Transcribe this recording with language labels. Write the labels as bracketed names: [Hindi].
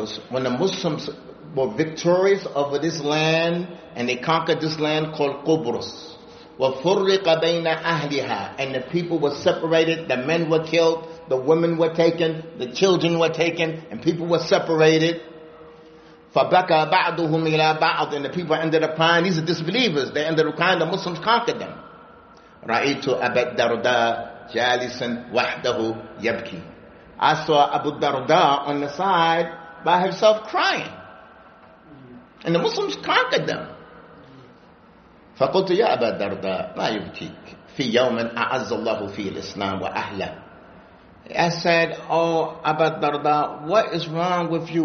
[English] When the Muslims were victorious over this land and they conquered this land called Qubrus, [Arabic] وَفُرِّقَ بَيْنَ أَهْلِهَا, [English] and the people were separated, the men were killed, the women were taken, the children were taken, and people were separated. [Arabic] فَبَكَى بَعْضُهُمْ إِلَى بَعْضٍ, [English] and the people ended up crying. These are disbelievers. They ended up crying. The Muslims conquered them. [Arabic] رَأَيْتُ أَبَا الدَّرْدَى جَالِسًا وَحْدَهُ يَبْكِي. [English] I saw Abu Darda on the side by himself crying. And the Muslims conquered them. [Arabic] فَقُلْتُ يَا أَبَا الدَّرْدَى مَا يُبْكِيكَ فِي يَوْمٍ أَعَزَّ اللَّهُ فِي الْإِسْلَامِ وَأَهْلَهُ. [English] I said, oh, Abu Darda, what is wrong with you?